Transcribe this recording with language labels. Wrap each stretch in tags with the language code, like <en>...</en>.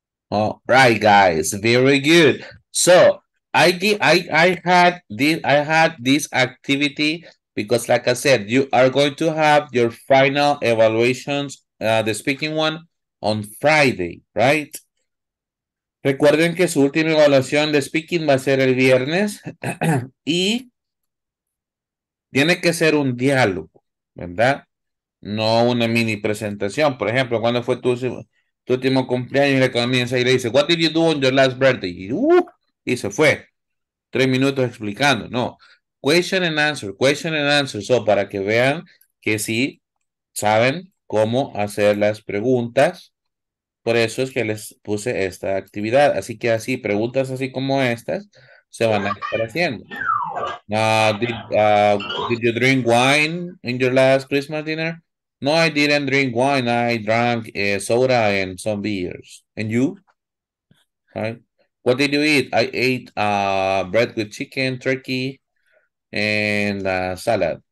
<en>All right, guys, very good. So I had this activity. Because like I said, you are going to have your final evaluations, the speaking one, on Friday, right?</en> <es>Recuerden que su última evaluación de speaking va a ser el viernes. Y tiene que ser un diálogo, ¿verdad? No una mini presentación. Por ejemplo, cuando fue tu último cumpleaños y le comienza y le dice,</es> <en>what did you do on your last birthday?</en> <es>Y se fue. 3 minutos explicando, ¿no?</es> <en>Question and answer.</en> <es>So, para que vean que sí saben cómo hacer las preguntas. Por eso es que les puse esta actividad. Así que así, preguntas así como estas se van a estar haciendo.</es> <en>Did you drink wine in your last Christmas dinner? No, I didn't drink wine. I drank soda and some beers. And you? Right. What did you eat? I ate bread with chicken, turkey, and salad.</en>